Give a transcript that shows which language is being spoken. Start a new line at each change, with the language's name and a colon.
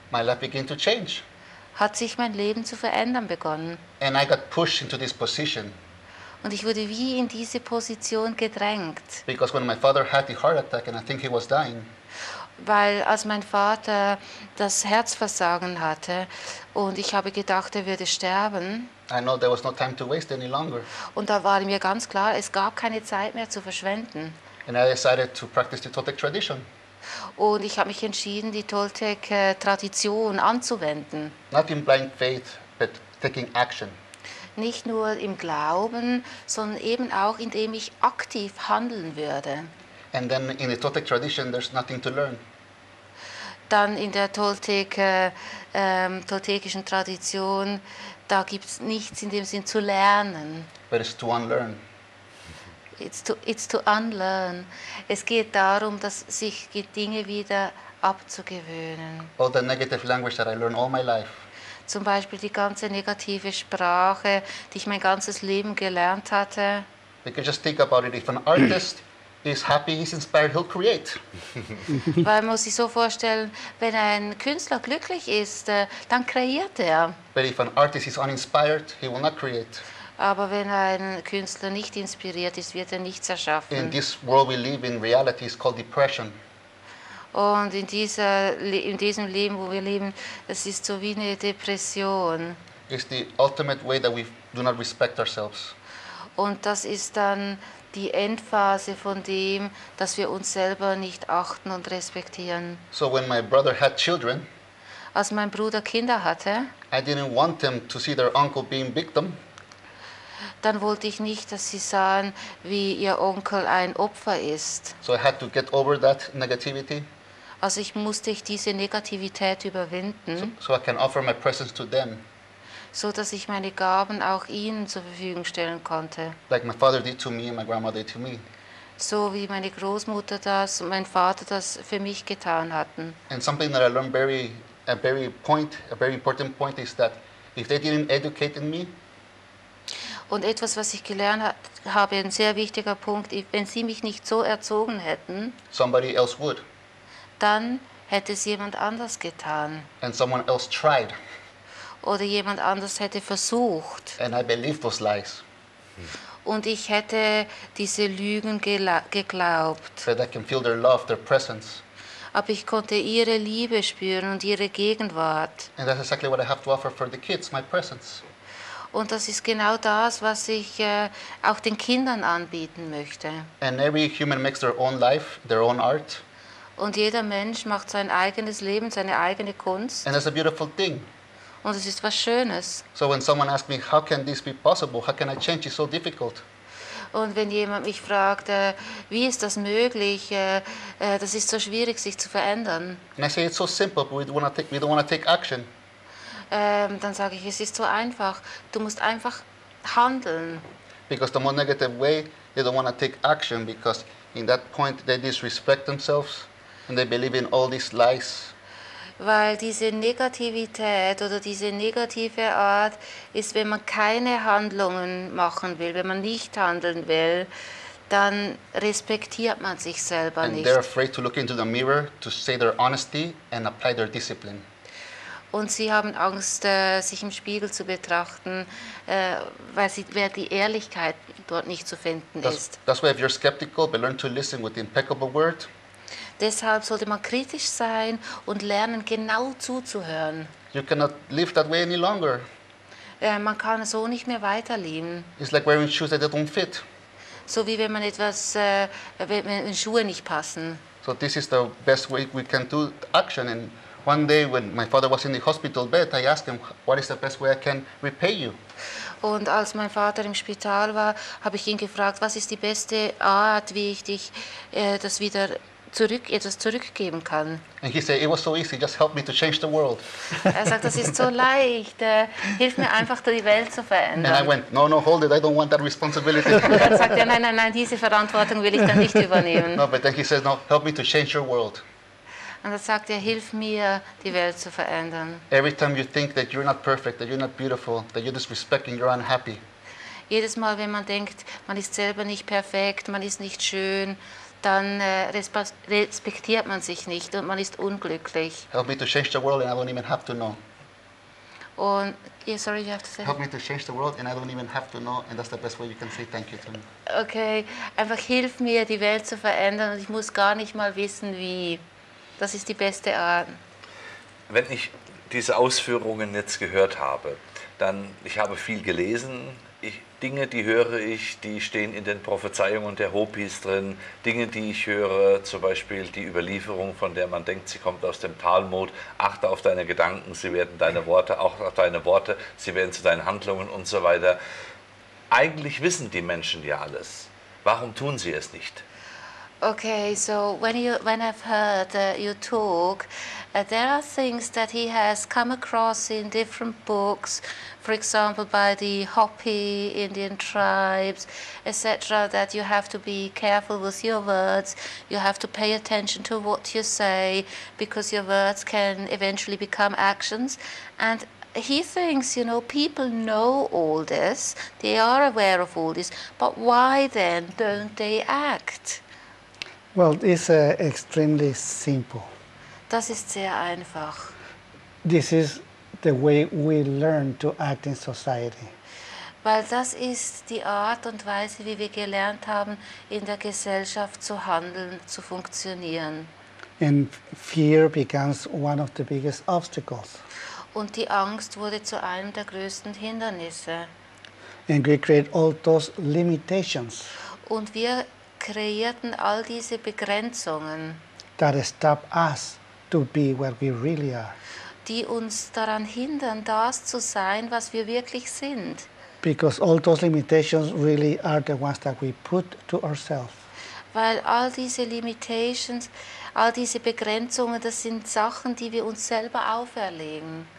English: my life began to change.
German: Hat sich mein Leben zu verändern begonnen.
English: And I got pushed into this position.
German: Und ich wurde wie in diese Position gedrängt.
English: Because when my father had the heart attack and I think he was dying.
German: Weil als mein Vater das Herzversagen hatte und ich habe gedacht, er würde sterben.
English: I know there was no time to waste any longer.
German: Und da war mir ganz klar, es gab keine Zeit mehr zu verschwenden.
English: And I decided to practice the Toltec tradition.
German: Und ich habe mich entschieden, die Toltec-Tradition anzuwenden.
English: Not in blind faith, but taking action.
German: Nicht nur im Glauben, sondern eben auch, indem ich aktiv handeln würde.
English: And then in the Toltec tradition, there's nothing to learn.
German: Dann in der toltekischen Tradition, da gibt es nichts in dem Sinn zu lernen.
English: But it's to unlearn. It's to unlearn.
German: Es geht darum, dass sich die Dinge wieder abzugewöhnen.
English: All the negative language that I learned all my life.
German: Zum Beispiel die ganze negative Sprache, die ich mein ganzes Leben gelernt hatte.
English: We can just think about it. If an artist is happy, he's inspired, he'll create.
German: Weil man muss sich so vorstellen, wenn ein Künstler glücklich ist, dann kreiert er.
English: But if an artist is uninspired, he will not create.
German: Aber wenn ein Künstler nicht inspiriert ist, wird er nichts erschaffen.
English: In this world we live in, reality is called depression.
German: Und in diesem Leben, wo wir leben, es ist so wie eine Depression.
English: It's the ultimate way that we do not respect ourselves.
German: Und das ist dann die Endphase von dem, dass wir uns selber nicht achten und respektieren.
English: So when my brother had children,
German: als mein Bruder Kinder hatte,
English: I didn't want them to see their uncle being victim.
German: Dann wollte ich nicht, dass sie sahen, wie ihr Onkel ein Opfer ist.
English: So I had to get over that negativity.
German: Also ich musste diese Negativität überwinden.
English: So I can offer my presence to them.
German: So dass ich meine Gaben auch ihnen zur Verfügung stellen konnte.
English: Like my father did to me and my grandmother did to me.
German: So wie meine Großmutter das und mein Vater das für mich getan hatten.
English: And something that I learned a very important point is that if they didn't educate me.
German: Und etwas, was ich gelernt habe, ein sehr wichtiger Punkt, wenn sie mich nicht so erzogen hätten,
English: somebody else would.
German: Dann hätte es jemand anders getan.
English: And someone else tried.
German: Oder jemand anders hätte versucht.
English: And I believed those lies.
German: Und ich hätte diese Lügen geglaubt.
English: But I can feel their love, their presence.
German: Aber ich konnte ihre Liebe spüren und ihre Gegenwart.
English: And that's exactly what I have to offer for the kids, my presence.
German: Und das ist genau das, was ich auch den Kindern anbieten möchte.
English: And every human makes their own life, their own art.
German: Und jeder Mensch macht sein eigenes Leben, seine eigene Kunst.
English: And that's a beautiful thing.
German: Und es ist was Schönes.
English: So when someone asks me, how can this be possible? How can I change? It's so difficult.
German: Und wenn jemand mich fragt, wie ist das möglich? Das ist so schwierig, sich zu verändern.
English: And I say, it's so simple, but we don't want to take action.
German: Dann sage ich, es ist so einfach. Du musst einfach handeln.
English: Because the more negative way, they don't want to take action because in that point they disrespect themselves and they believe in all these lies.
German: Weil diese Negativität oder diese negative Art ist, wenn man keine Handlungen machen will, wenn man nicht handeln will, dann respektiert man sich selber
English: and
German: nicht.
English: And they're afraid to look into the mirror to say their honesty and apply their discipline.
German: Und sie haben Angst, sich im Spiegel zu betrachten, weil die Ehrlichkeit dort nicht zu finden ist.
English: That's why if you're skeptical, but learn to listen with the impeccable word.
German: Deshalb sollte man kritisch sein und lernen, genau zuzuhören.
English: You cannot live that way any longer.
German: Man kann so nicht mehr weiterleben.
English: It's like wearing shoes that don't fit.
German: So wie wenn man etwas, wenn Schuhe nicht passen.
English: So this is the best way we can do action. And one day when my father was in the hospital bed, I asked him, what is the best way I can repay you?
German: Und als mein Vater im Spital war, habe ich ihn gefragt, was ist die beste Art, wie ich dich das wieder etwas zurückgeben kann?
English: And he said, it was so easy, just help me to change the world.
German: Er sagt, das ist so leicht, hilf mir einfach, die Welt zu verändern.
English: And I went, no, hold it, I don't want that responsibility.
German: Er sagt, nein, diese Verantwortung will ich dann nicht übernehmen.
English: No, but then he says, no, help me to change your world.
German: Und er sagt, hilf mir, die Welt zu verändern.
English: Every time you think that you're not perfect, that you're not beautiful, that you're disrespecting, you're unhappy.
German: Jedes Mal, wenn man denkt, man ist selber nicht perfekt, man ist nicht schön, dann respektiert man sich nicht und man ist unglücklich.
English: Help me to change the world and I don't even have to know. Und, yeah, sorry, you have to say. Help me to change the world and I don't even have to know, and that's the best way you can say thank you to me.
German: Okay, einfach hilf mir, die Welt zu verändern und ich muss gar nicht mal wissen, wie. Das ist die beste Art. Wenn ich diese Ausführungen jetzt gehört habe, dann, ich habe viel gelesen, Dinge, die höre ich, die stehen in den Prophezeiungen der Hopis drin. Dinge, die ich höre, zum Beispiel die Überlieferung, von der man denkt, sie kommt aus dem Talmud. Achte auf deine Gedanken, sie werden deine Worte, auch auf deine Worte, sie werden zu deinen Handlungen und so weiter. Eigentlich wissen die Menschen ja alles. Warum tun sie es nicht?
English: Okay, so when I've heard you talk, there are things that he has come across in different books, for example, by the Hopi Indian tribes, etc., that you have to be careful with your words, you have to pay attention to what you say, because your words can eventually become actions. And he thinks, you know, people know all this, they are aware of all this, but why then don't they act? Well, it's extremely simple.
German: Das ist sehr einfach.
English: This is the way we learn to act in society.
German: Weil das ist die Art und Weise, wie wir gelernt haben, in der Gesellschaft zu handeln, zu funktionieren.
English: And fear becomes one of the biggest obstacles.
German: Und die Angst wurde zu einem der größten Hindernisse.
English: And we create all those limitations.
German: Und wir kreierten all diese Begrenzungen,
English: that stop us to be where we really are.
German: Die uns daran hindern, das zu sein, was wir wirklich sind.
English: Because all those limitations really are the ones that we put to ourselves.
German: Weil all diese Limitations, all diese Begrenzungen, das sind Sachen, die wir uns selber auferlegen.